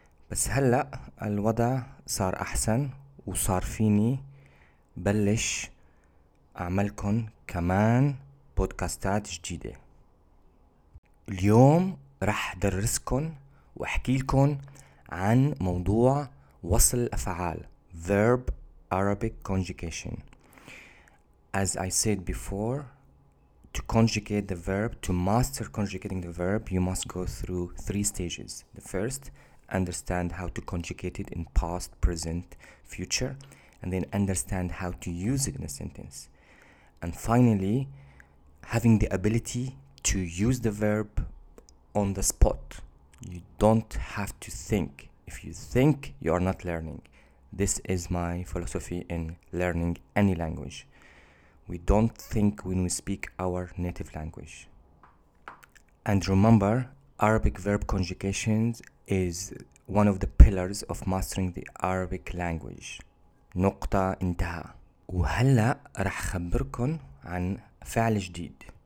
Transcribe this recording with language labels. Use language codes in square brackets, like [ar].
[ar] بس هلأ الوضع صار أحسن وصار فيني بلش أعملكن كمان بودكاستات جديدة. اليوم رح درسكن وأحكيلكن عن موضوع وصل الأفعال [en] Verb Arabic Conjugation. As I said before, to conjugate the verb, to master conjugating the verb, you must go through 3 stages. The first, understand how to conjugate it in past, present, future, and then understand how to use it in a sentence. And finally, having the ability to use the verb on the spot. You don't have to think. If you think, you are not learning. This is my philosophy in learning any language. We don't think when we speak our native language. And remember, Arabic verb conjugations is one of the pillars of mastering the Arabic language. [ar] نقطة انتهى. وهلأ رح خبركن عن فعل جديد.